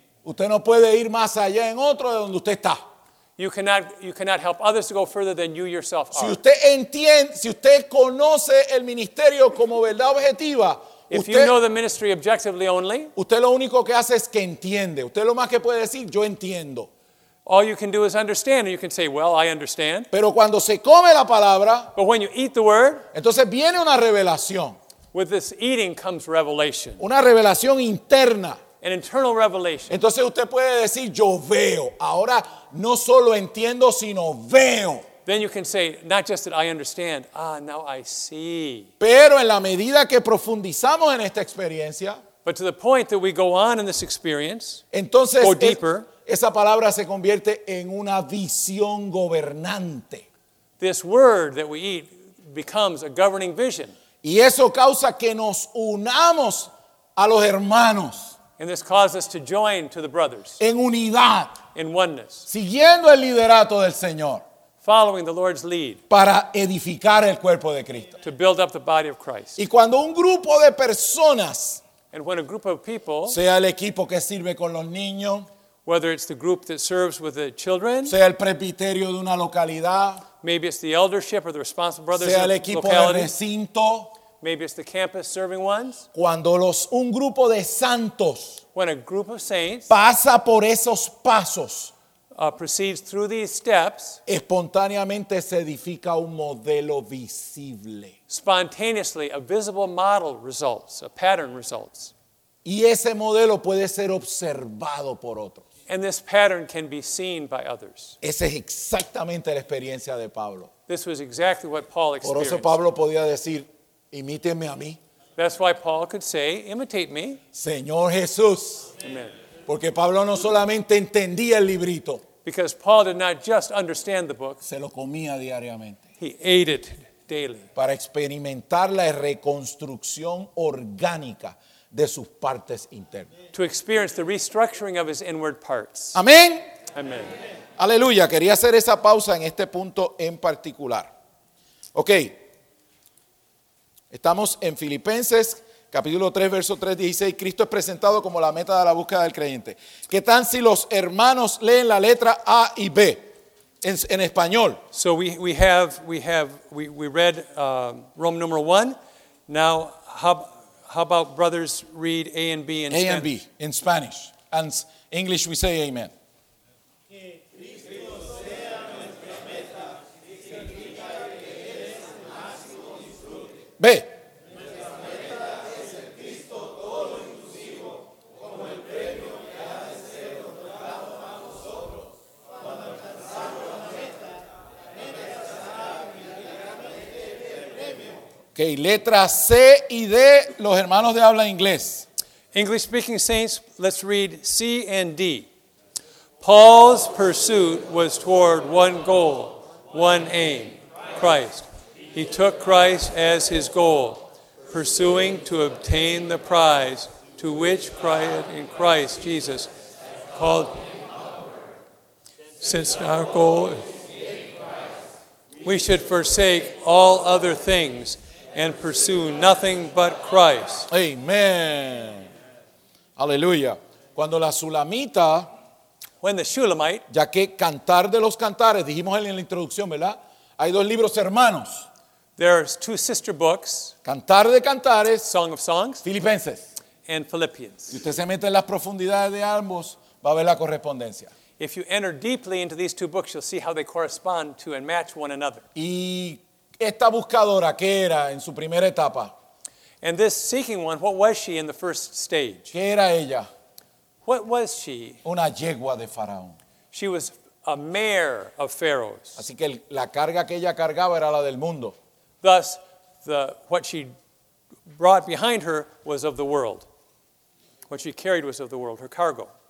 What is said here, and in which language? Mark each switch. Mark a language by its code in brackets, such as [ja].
[es] Usted no puede ir más allá en otro de donde usted está. [en] You cannot help others to go further than you yourself are. [es] Si usted entiende, si usted conoce el ministerio como verdad objetiva, [en] if [es] usted, [en] you know the ministry objectively only, [es] usted lo único que hace es que entiende. Usted lo más que puede decir, yo entiendo. [en] All you can do is understand, and you can say, well, I understand. [es] Pero cuando se come la palabra, [en] but when you eat the word, [es] entonces viene una revelación. [en] With this eating comes revelation. [es] Una revelación interna. [en] An internal revelation. [es] Entonces usted puede decir, yo veo. Ahora no solo entiendo, sino veo. [en] Then you can say, not just that I understand, now I see. [es] Pero en la medida que profundizamos en esta experiencia, [en] but to the point that we go on in this experience, [es] entonces [en] or deeper, [es] esa palabra se convierte en una visión gobernante. [en] This word that we eat becomes a governing vision. [es] Y eso causa que nos unamos a los hermanos. [en] And this causes us to join to the brothers. [es] En unidad. [en] In oneness. [es] Siguiendo el liderato del Señor. [en] Following the Lord's lead. [es] Para edificar el cuerpo de Cristo. [en] To build up the body of Christ. [es] Y cuando un grupo de personas. [en] And when a group of people. [es] Sea el equipo que sirve con los niños. [en] Whether it's the group that serves with the children. [es] Sea el presbiterio de una localidad. [en] Maybe it's the eldership or the responsible brothers the [es] locality. Sea el equipo de recinto. [en] Maybe it's the campus serving ones. [es] Cuando un grupo de santos. [en] When a group of saints. [es] Pasa por esos pasos. [en] Proceeds through these steps. [es] Espontáneamente se edifica un modelo visible. [en] Spontaneously, a visible model results, a pattern results. [es] Y ese modelo puede ser observado por otros. [en] And this pattern can be seen by others. [es] Esa es exactamente la experiencia de Pablo. [en] This was exactly what Paul experienced. [es] Por eso Pablo podía decir, imítenme a mí. [en] That's why Paul could say, imitate me. [es] Señor Jesús. [en] Amen. [es] Porque Pablo no solamente entendía el librito. [en] Because Paul did not just understand the book. [es] Se lo comía diariamente. [en] He ate it daily. [es] Para experimentar la reconstrucción orgánica de sus partes internas. [en] To experience the restructuring of his inward parts. [es] Amén. [en] Amen. [es] Aleluya. Quería hacer esa pausa en este punto en particular. Ok. Estamos en Filipenses, capítulo 3, verso 3, 16. Cristo es presentado como la meta de la búsqueda del creyente. ¿Qué tal si los hermanos leen la letra A y B en español? [en] So we read Rome number 1. Now, how about brothers read A and B in Spanish? A and B in Spanish. And in English we say amen. B. [es] Okay, letra C y D, los hermanos de habla inglés. [en] English speaking saints, let's read C and D. Paul's pursuit was toward one goal, one aim, Christ. He took Christ as his goal, pursuing to obtain the prize to which Christ in Christ Jesus called. Since our goal is we should forsake all other things and pursue nothing but Christ. [es] Amen. Aleluya. Cuando la Shulamita, [en] when the Shulamite, [es] ya que Cantar de los Cantares, dijimos en la introducción, ¿verdad? Hay dos libros hermanos. [en] There are two sister books. [es] Cantar de Cantares, [en] Song of Songs, [es] Filipenses, [en] and Philippians. [es] Si usted se mete en las profundidades de ambos, va a ver la correspondencia. [en] If you enter deeply into these two books, you'll see how they correspond to and match one another. [es] Y esta buscadora, ¿qué era en su primera etapa? [en] And this seeking one, what was she in the first stage? [es] ¿Qué era ella? [en] What was she? [es] Una yegua de Faraón. [en] She was a mare of pharaohs. [es] Así que la carga que ella cargaba era la del mundo. [en] Thus, what she brought behind her was of the world. What she carried was of the world, her cargo.